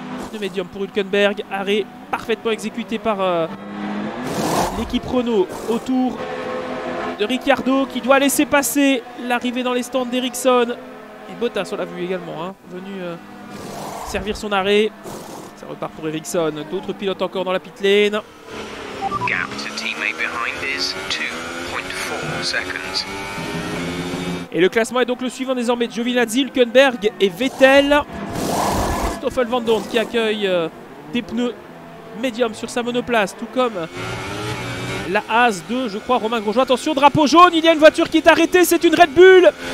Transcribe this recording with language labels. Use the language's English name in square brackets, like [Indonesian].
[French] Pneu médium pour Hülkenberg, arrêt parfaitement exécuté par l'équipe Renault autour de Ricciardo qui doit laisser passer l'arrivée dans les stands d'Ericsson. Et Bottas, on l'a vu également, hein, venu servir son arrêt. Ça repart pour Ericsson. D'autres pilotes encore dans la pit lane. [English] Gap to teammate behind is 2.4 seconds. [French] Et le classement est donc le suivant désormais. Giovinazzi, Hülkenberg et Vettel. Stoffel Vandoorne qui accueille des pneus médium sur sa monoplace, tout comme la Haas 2, je crois, Romain Grosjean. Attention, drapeau jaune, il y a une voiture qui est arrêtée, c'est une Red Bull.